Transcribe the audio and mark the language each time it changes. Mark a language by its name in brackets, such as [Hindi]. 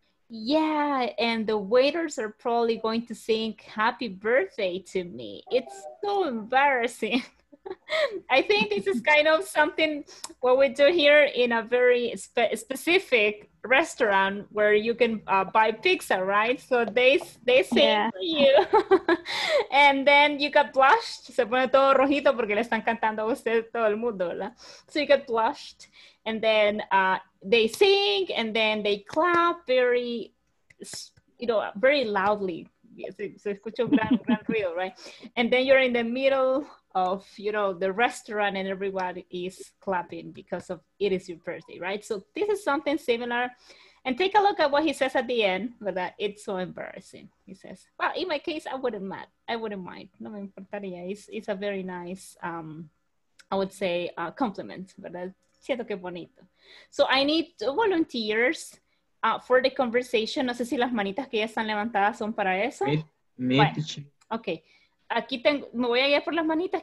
[English] Yeah, and the waiters are probably going to sing happy birthday to me. It's so embarrassing. I think this is kind of something what we do here in a very specific restaurant where you can buy pizza, right? So they sing for you. And then you get blushed. [Spanish] Se pone todo rojito porque le están cantando a usted todo el mundo, ¿verdad? [English] So you get blushed. And then they sing and then they clap very, you know, very loudly. Se escucha un gran ruido, right? And then you're in the middle of, you know, the restaurant and everybody is clapping because of it is your birthday, right? So this is something similar. And take a look at what he says at the end, but that it's so embarrassing. He says, well, in my case, I wouldn't mind. No me importaría. It's a very nice, I would say, compliment, but siento que bonito. So I need two volunteers for the conversation. [Spanish] No sé si las manitas que ya están levantadas son para eso. Okay. Aquí tengo, me voy a guiar por las manitas.